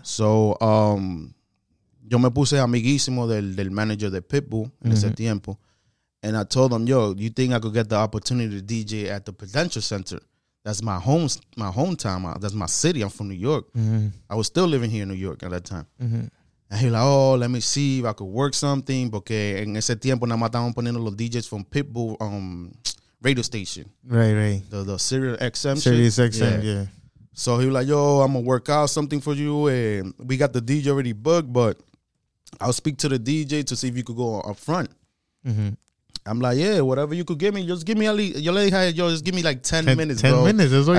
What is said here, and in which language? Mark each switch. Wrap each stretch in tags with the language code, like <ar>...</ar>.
<es>So, yo me puse amiguísimo del manager de Pitbull mm-hmm. en ese tiempo.</es> <en>And I told him, yo, you think I could get the opportunity to DJ at the Prudential Center? That's my hometown. That's my city. I'm from New York. Mm-hmm. I was still living here in New York at that time. Mm-hmm. And he was like, oh, let me see if I could work something.</en> <es>Porque en ese tiempo, nada más estaban poniendo los DJs</es> <en>from Pitbull radio station. Right. The Sirius XM. Sirius XM, yeah. So he was like, yo, I'm going to work out something for you. And we got the DJ already booked, but I'll speak to the DJ to see if you could go up front. Mm-hmm. I'm like, yeah, whatever you could give me, just give me at least,</en> <es>yo le dije,</es> <en>yo, just give me like 10 minutes, bro. 10 minutes, that's what</en>